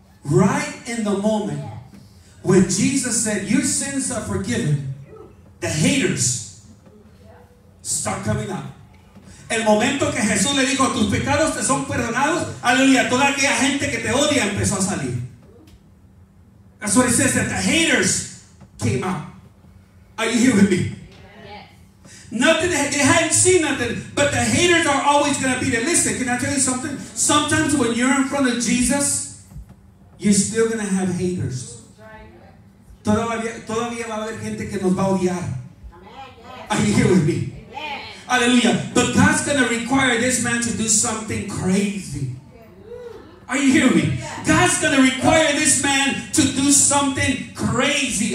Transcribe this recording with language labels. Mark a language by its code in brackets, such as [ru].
[en] Right in the moment when Jesus said, your sins are forgiven, the haters start coming up. [es] El momento que Jesús le dijo, tus pecados te son perdonados, aleluya, toda aquella gente que te odia empezó a salir. [en] That's what it says, that the haters came out. Are you here with me? Yes. Nothing, they hadn't seen nothing, but the haters are always going to be there. Listen, can I tell you something? Sometimes when you're in front of Jesus, you're still going to have haters. [es] Todavía va a haber gente que nos va a odiar. [en] Are you here with me? Yes. Hallelujah. But God's going to require this man to do something crazy. Are you hearing me? God's going to require this man to do something crazy.